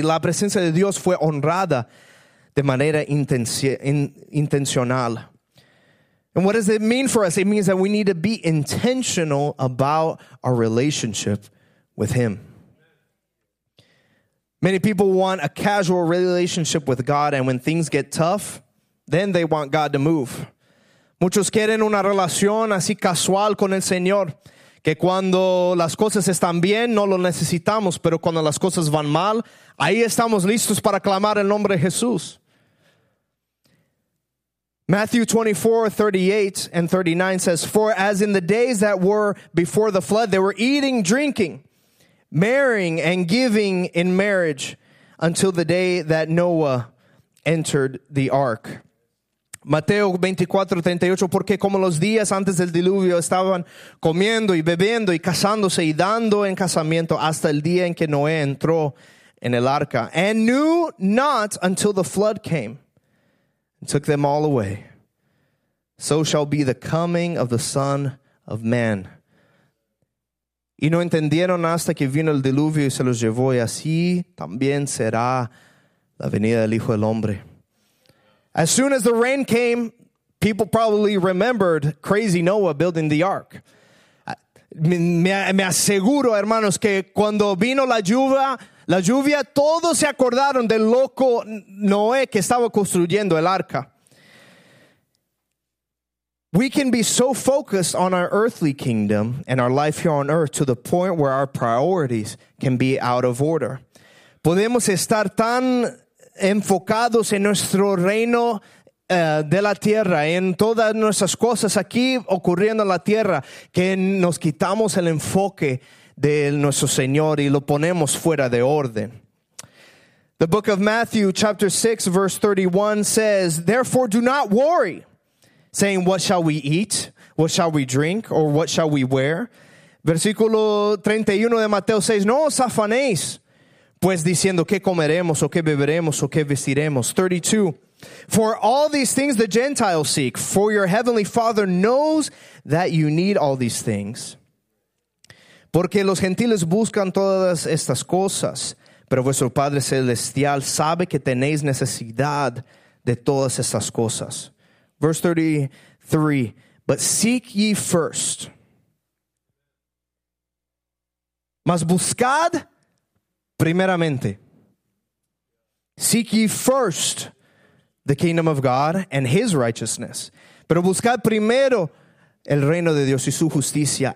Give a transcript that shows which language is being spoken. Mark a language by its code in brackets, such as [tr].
[es] La presencia de Dios fue honrada de manera intencional. [en] And what does it mean for us? It means that we need to be intentional about our relationship with Him. Many people want a casual relationship with God, and when things get tough, then they want God to move. [es] Muchos quieren una relación así casual con el Señor, que cuando las cosas están bien, no lo necesitamos, pero cuando las cosas van mal, ahí estamos listos para clamar el nombre de Jesús. [en] Matthew 24, 38 and 39 says, "For as in the days that were before the flood, they were eating, drinking, marrying, and giving in marriage until the day that Noah entered the ark." [es] Mateo 24, 38, porque como los días antes del diluvio estaban comiendo y bebiendo y casándose y dando en casamiento hasta el día en que Noé entró en el arca. [en] "And knew not until the flood came and took them all away. So shall be the coming of the Son of Man. [es] Y no entendieron hasta que vino el diluvio y se los llevó. Y así también será la venida del Hijo del Hombre." [en] As soon as the rain came, people probably remembered crazy Noah building the ark. [es] Me aseguro, hermanos, que cuando vino la lluvia, todos se acordaron del loco Noé que estaba construyendo el arca. [en] We can be so focused on our earthly kingdom and our life here on earth to the point where our priorities can be out of order. [es] Podemos estar tan enfocados en nuestro reino de la tierra, en todas nuestras cosas aquí ocurriendo en la tierra, que nos quitamos el enfoque de nuestro Señor y lo ponemos fuera de orden. [en] The book of Matthew, chapter 6, verse 31 says, "Therefore do not worry, saying, what shall we eat, what shall we drink, or what shall we wear?" [es] Versículo 31 de Mateo 6, "No os afanéis, pues diciendo, ¿qué comeremos, o qué beberemos, o qué vestiremos?" [en] 32, "For all these things the Gentiles seek, for your heavenly Father knows that you need all these things. [es] Porque los gentiles buscan todas estas cosas, pero vuestro Padre Celestial sabe que tenéis necesidad de todas estas cosas." [en] Verse 33, "But seek ye first." [es] Mas buscad primeramente. [en] Seek ye first the kingdom of God and His righteousness. [es] Pero buscad primero el reino de Dios y su justicia.